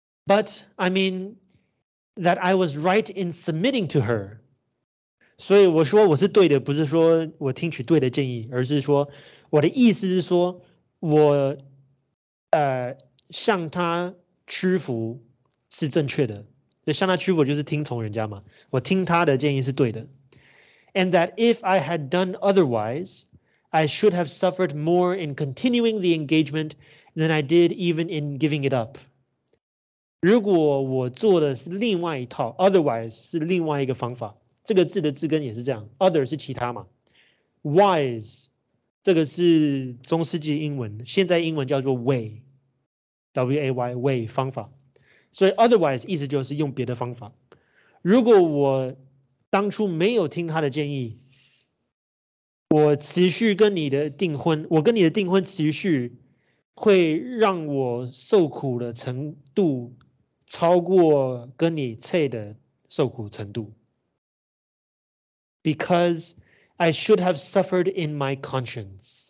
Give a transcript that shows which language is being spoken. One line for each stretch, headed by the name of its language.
English: But I mean that I was right in submitting to her.
Chinese: 所以我说我是对的，不是说我听取对的建议，而是说我的意思是说我向他屈服是正确的。就向他屈服就是听从人家嘛，我听他的建议是对的。
English: And that if I had done otherwise, I should have suffered more in continuing the engagement than I did even in giving it up.
Chinese: 如果我做的是另外一套 ，otherwise 是另外一个方法。这个字的字根也是这样 ，other 是其他嘛 ，wise 这个是中世纪英文，现在英文叫做 way，W-A-Y way 方法。所以 otherwise 意思就是用别的方法。如果我当初没有听他的建议，我持续跟你的订婚，我跟你的订婚持续会让我受苦的程度超过跟你拆的受苦程度。
English: Because I should have suffered in my conscience,